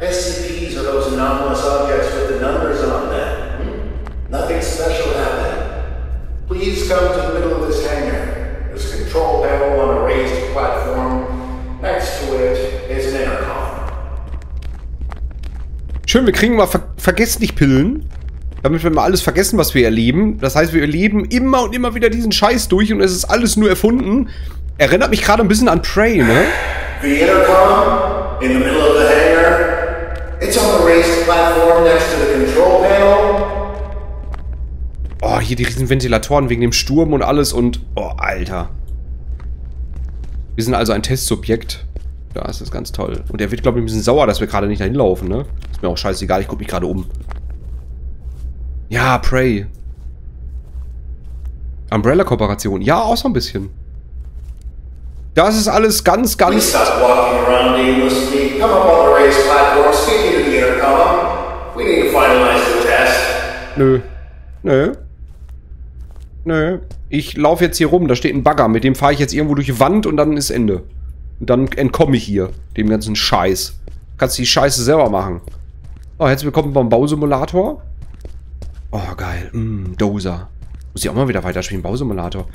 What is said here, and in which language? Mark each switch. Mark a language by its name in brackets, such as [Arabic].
[English] SCPs are those anomalous objects with the numbers on them. Nothing special happened. Please come to the middle of this hangar. There's a control panel on a raised platform. Next to it is an intercom. [German] Schön, wir kriegen mal Vergessnichtpillen. Damit wir mal alles vergessen, was wir erleben. Das heißt, wir erleben immer und immer wieder diesen Scheiß durch und es ist alles nur erfunden. Erinnert mich gerade ein bisschen an Prey, ne? [English] The intercom in the middle of the hangar. It's on a raised platform next to the control panel. [German] Oh, hier die riesen Ventilatoren wegen dem Sturm und alles und... Oh, Alter. Wir sind also ein Testsubjekt. Da ist das ganz toll. Und er wird, glaube ich, ein bisschen sauer, dass wir gerade nicht dahin laufen, ne? Ist mir auch scheißegal, ich gucke mich gerade um. Ja, Prey. Umbrella-Kooperation. Ja, auch so ein bisschen. Das ist alles ganz, ganz... [English] We start walking around aimlessly. Come up on the raised platform, speaking to the intercom. We need to finalize [German] Nö. Nö. Nö. Ich laufe jetzt hier rum. Da steht ein Bagger. Mit dem fahre ich jetzt irgendwo durch die Wand und dann ist Ende. Und dann entkomme ich hier. Dem ganzen Scheiß. Kannst die Scheiße selber machen. Oh, herzlich willkommen beim Bausimulator. Oh, geil. Dozer. Muss ich auch mal wieder weiterspielen. Bausimulator.